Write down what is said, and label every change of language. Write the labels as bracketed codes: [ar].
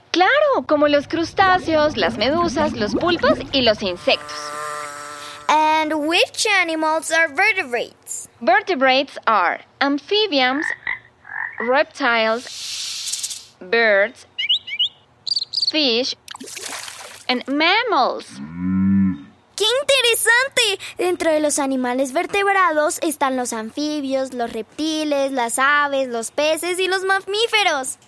[es] Claro, como los crustáceos, las medusas, los pulpos y los insectos. [en] And which animals are vertebrates? Vertebrates are amphibians, reptiles, birds, fish, and mammals. [es] ¡Qué interesante! Dentro de los animales vertebrados están los anfibios, los reptiles, las aves, los peces y los mamíferos.